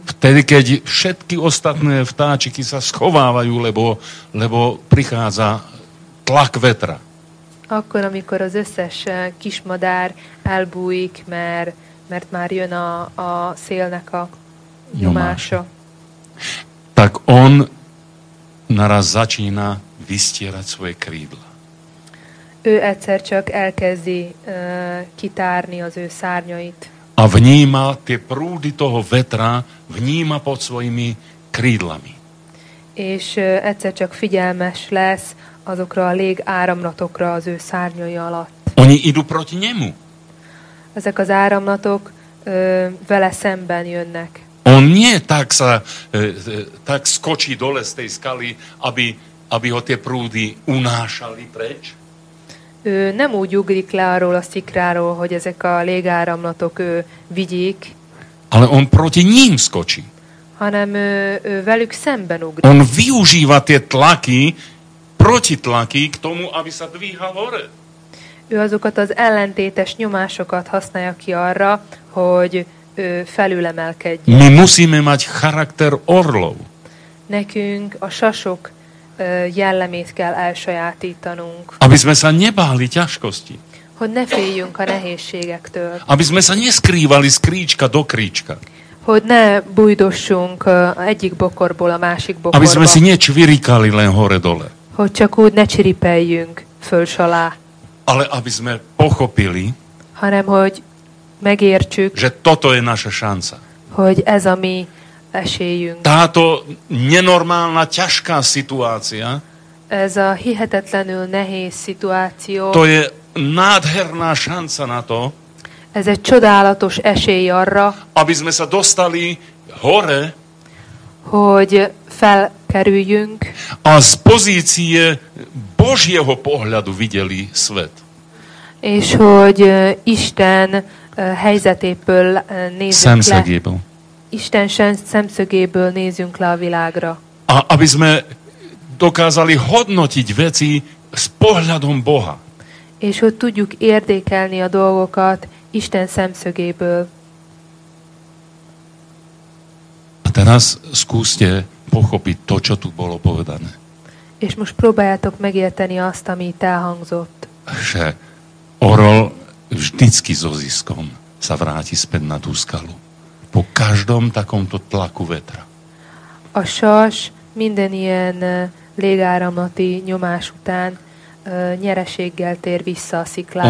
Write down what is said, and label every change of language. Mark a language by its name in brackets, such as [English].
[Slovak] Vtedy, keď všetky ostatné vtáčiky sa schovávajú, lebo prichádza tlak vetra. [Hungarian] Akkor, amikor az összes kismadár elbújik, mert már jön a szélnek a nyomása. [Slovak] Tak on naraz začína vystierať svoje krídla. [Hungarian] Ő egyszer csak elkezdi kitárni az ő szárnyait. [Slovak] A vníma tie prúdy toho vetra, vníma pod svojimi krídlami. [Hungarian] És egyszer csak figyelmes lesz azokra a légáramlatokra az ő szárnyai alatt. [Slovak] Oni idú proti nemu. [Hungarian] Ezek az áramlatok vele szemben jönnek. [Slovak] On nie tak sa tak skočí dole z tej skaly, aby ho tie prúdy unášali preč. [Hungarian] Ő nem úgy ugrik le arról a szikráról, hogy ezek a légáramlatok vigyék. [Slovak] Ale on proti ním skočí. [Hungarian] Hanem ő velük szemben ugrik. [Slovak] On využíva tie tlaky, protitlaky k tomu, aby sa dvíhal hore. [Hungarian] Ő azokat az ellentétes nyomásokat használja ki arra, hogy felülemelkedjen. [Slovak] Mi musíme mať charakter orlov. [Hungarian] Nekünk a sasok jellemét kell elsajátítanunk. [Slovak] Aby sme sa nebáli ťažkosti. [Hungarian] Hogy ne féljünk a nehézségektől. [Slovak] Aby sme sa neskrývali z kríčka do kríčka. [Hungarian] Hogy ne bujdossunk egyik bokorból a másik bokorba. [Slovak] Aby sme si nečvirikali len hore-dole. [Hungarian] Hogy csak úgy ne csiripeljünk föl-salá. [Slovak] Ale aby sme pochopili, [Hungarian] hanem hogy megértsük, [Slovak] že toto je naša šanca. [Hungarian] Hogy ez a mi esélyünk. [Slovak] Táto nenormálna, ťažká situácia, [Hungarian] ez a hihetetlenül nehéz situáció, [Slovak] to je nádherná šanca na to, [Hungarian] ez egy csodálatos esély arra, [Slovak] aby sme sa dostali hore, [Hungarian] hogy felkerüljünk, [Slovak] a z pozície Božieho pohľadu videli svet. [Hungarian] És hogy Isten helyzetéből nézzünk szemszögéből le. Isten szemszögéből nézzünk le a világra. [Slovak] A aby sme dokázali hodnotiť veci s pohľadom Boha. [Hungarian] És hogy tudjuk értékelni a dolgokat Isten szemszögéből. [Slovak] A teraz skúste pochopiť to, čo tu bolo povedané. [Hungarian] És most próbáljátok megérteni azt, ami itt elhangzott. [Slovak] Že orol vždycky so ziskom sa vráti späť na tú skalu. Po každom takomto tlaku vetra. [Hungarian] A sas minden ilyen légáramlati nyomás után nyereséggel tér vissza a sziklára.